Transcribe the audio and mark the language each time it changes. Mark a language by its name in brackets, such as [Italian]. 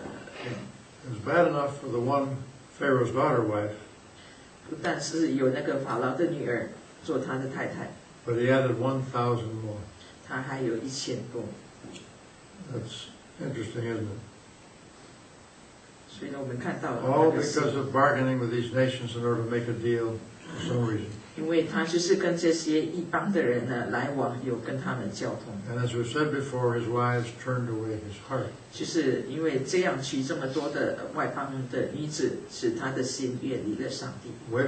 [English] It was bad enough for the one Pharaoh's daughter wife. [Chinese] 不但是有那个法老的女儿做他的太太。 [English] But he added 1,000 more. [Chinese] 他还有1,000多。 [English] That's interesting, isn't it? [Chinese] 所以呢，我们看到了。 [English] All because of bargaining with these nations in order to make a deal for some reason. [Chinese] 因为他就是跟这些异邦的人呢来往，有跟他们交通。 [English] And as we said before, his wives turned away his heart. [Chinese] 就是因为这样娶这么多的外邦的女子，使他的心远离了上帝。 [English] Away